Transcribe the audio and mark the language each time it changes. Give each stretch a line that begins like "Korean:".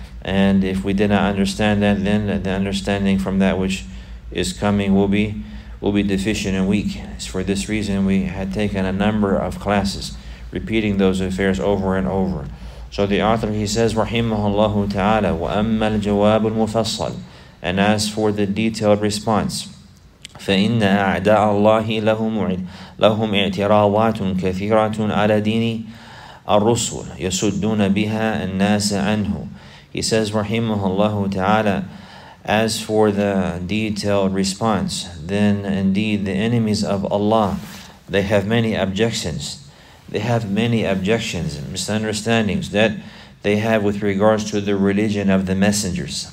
English: And if we did not understand that, then the understanding from that which is coming will be deficient and weak. It's for this reason we had taken a number of classes repeating those affairs over and over. So the author, he says, rahimahullahu ta'ala,
Arabic: وَأَمَّا الْجَوَابُ الْمُفَصَّلُ.
English: And as for the detailed response,
Arabic: فَإِنَّ أَعْدَاءَ اللَّهِ لَهُمْ اِعْتِرَاوَاتٌ كَثِيرَةٌ عَلَى دِينِ الرُّسُلِ يَسُدُّونَ بِهَا النَّاسَ عَنْهُ.
English: He says, rahimahullahu ta'ala, as for the detailed response, then indeed the enemies of Allah, they have many objections. They have many objections and misunderstandings that they have with regards to the religion of the messengers.